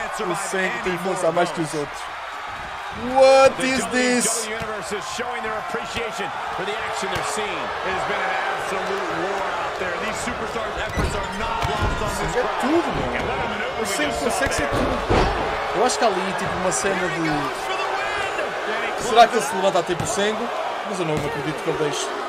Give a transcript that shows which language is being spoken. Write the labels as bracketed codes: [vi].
[pt] O Sengo tem força a mais que os outros. [en] What is this? The Universe is showing their appreciation for the action they're seeing. It has been an absolute war out there. These superstars' efforts are not lost on this crowd. [pt] É tudo, mano. O Sengo consegue ser tudo. Eu acho que ali, tipo, uma cena de... Será que ele se levanta a tempo o Sengo? Mas eu não acredito que ele deixe.